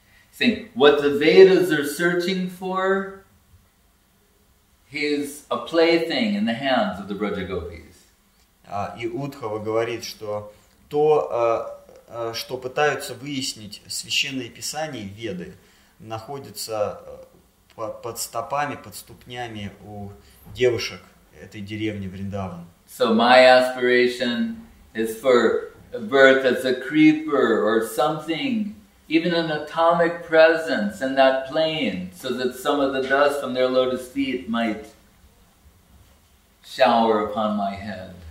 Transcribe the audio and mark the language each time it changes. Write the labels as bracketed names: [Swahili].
[English] Saying, what the Vedas are searching for is a plaything in the hands of the Brajagopis. [Russian] И Удхава говорит, что то, что пытаются выяснить священные писания, Веды, находится под стопами, под ступнями у девушек этой деревни Вриндаван. [English] So my aspiration is for a birth as a creeper or something, even an atomic presence in that plane, so that some of the dust from their lotus feet might shower upon my head.